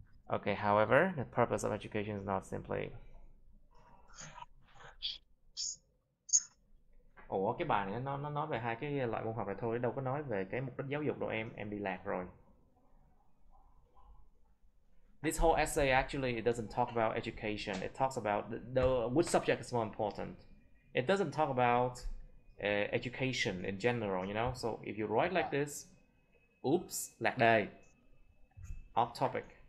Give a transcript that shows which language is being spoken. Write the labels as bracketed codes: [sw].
[en] Okay, however, the purpose of education is not simply... [vi] Ủa, cái bài này nó nói về hai cái loại môn học này thôi, đâu có nói về cái mục đích giáo dục đâu em đi lạc rồi. [en] This whole essay actually, it doesn't talk about education, it talks about which subject is more important. It doesn't talk about education in general, you know, so if you write like this, oops, [vi] lạc đề, [en] off topic.